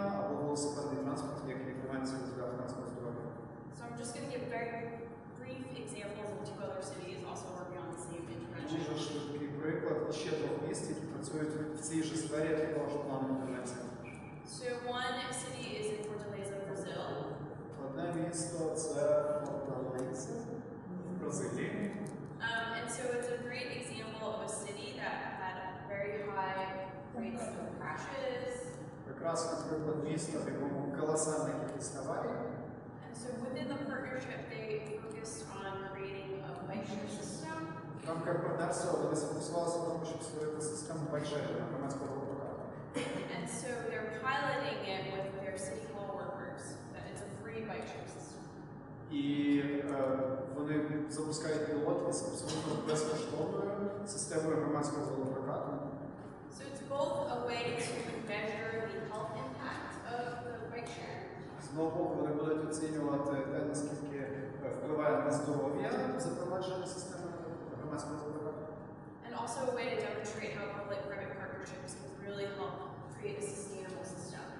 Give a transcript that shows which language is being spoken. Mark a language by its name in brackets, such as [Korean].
[Ukrainian] велосипедний транспорт, як інформацію для транспорту. [English] So I'm just going to give a very brief example of what two other cities also work on the same intervention. [Ukrainian] Дуже швидкий приклад. Ще двох міст, які працюють в цій же сфері, також планом інтервенція. [English] So one city is in Fortaleza, Brazil. [Ukrainian] Одне місто – це Fortaleza, в Бразилії. [English] And so it's a great example of a city that had very high rates of crashes. [Ukrainian] Прекрасно, наприклад, місто, в якому колосальні якісь аварії. [English] And so within the partnership, they focused on creating a bike share system. [Ukrainian] Там як партнерство, вони сфокусувалися на тому, щоб створити систему [English] bike share [Ukrainian] на громадському транспорті. [English] And so they're piloting it with their city hall workers, that it's a free bike share system. [Ukrainian] І вони запускають пілот з абсолютно безкоштовною системою громадського велопрокату. [English] So it's both a way to measure the health impact of the bike share. [Ukrainian] Знову вони будуть оцінювати те, наскільки впливає на здоров'я запровадження системи громадського велопрокату. [English] And also a way to demonstrate how public-private partnerships can really help create a sustainable system.